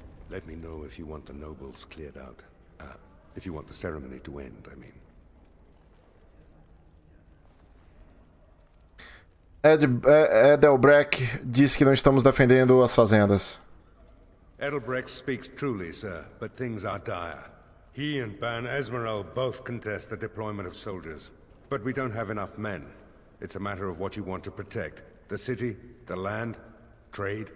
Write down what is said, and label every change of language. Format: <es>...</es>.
<en>Let me know if you want the nobles cleared out. If you want the ceremony to end, I mean.</en> <pt>Edelbreck disse que não estamos defendendo as fazendas.</pt> <en>Edelbreck speaks truly, sir, but things are dire. He and Ban Esmeral both contest the deployment of soldiers, but we don't have enough men. It's a matter of what you want to protect: the city, the land, trade.</en>